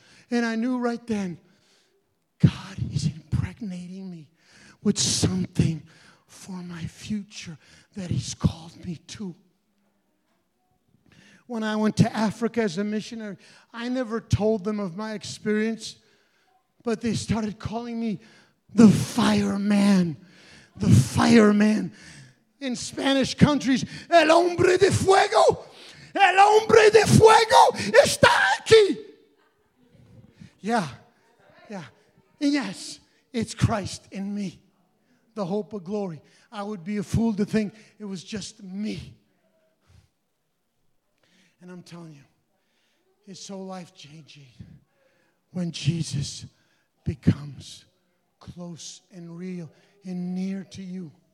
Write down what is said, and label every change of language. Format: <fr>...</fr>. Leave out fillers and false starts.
<en>And I knew right then, God is impregnating me with something for my future that He's called me to. When I went to Africa as a missionary, I never told them of my experience, but they started calling me the fireman. The fireman. In Spanish countries,</en> <es>el hombre de fuego. El hombre de fuego está aquí.</es> <en>Yeah. Yeah. Yes, it's Christ in me, the hope of glory. I would be a fool to think it was just me. And I'm telling you, it's so life-changing when Jesus becomes close and real and near to you.</en>